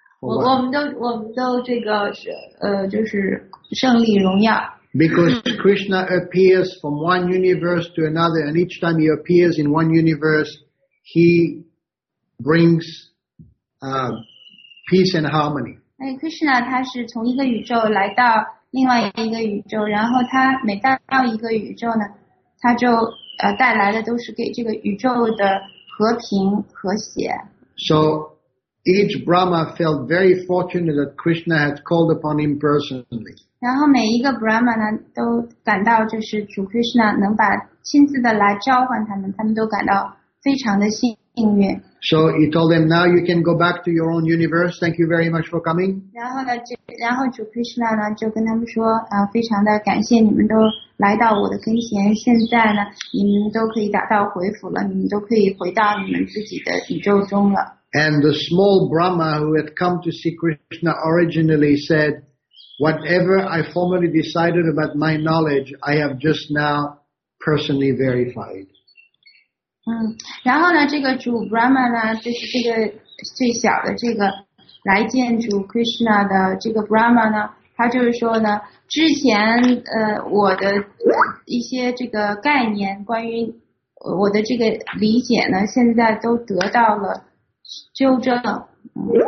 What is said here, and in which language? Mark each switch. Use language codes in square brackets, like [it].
[zh] 我们都这个就是胜利荣耀。 [en] Because Krishna appears from one universe to another, and each time he appears in one universe, he brings peace and harmony. [zh] Krishna, 他是从一个宇宙来到另外一个宇宙，然后他每到一个宇宙呢，他就带来的都是给这个宇宙的和平和谐。 [en] So each Brahma felt very fortunate that Krishna had called upon him personally. [zh] 然后每一个 Brahmana 都感到就是主 Krishna 能把亲自的来召唤他们，他们都感到非常的幸运。 [en] So he told them, now you can go back to your own universe. Thank you very much for coming. [zh] 然后主 Krishna 呢就跟他们说、啊、非常的感谢你们都来到我的跟前，现在呢你们都可以达到回府了，你们都可以回到你们自己的宇宙中了。 [en] And the small Brahma who had come to see Krishna originally said,Whatever I formerly decided about my knowledge, I have just now personally verified. [zh] 嗯，然后呢，这个主 Brahma 呢，就是这个最小的这个来见主 Krishna 的这个 Brahma 呢，他就是说呢，之前我的一些这个概念，关于我的这个理解呢，现在都得到了纠正。嗯、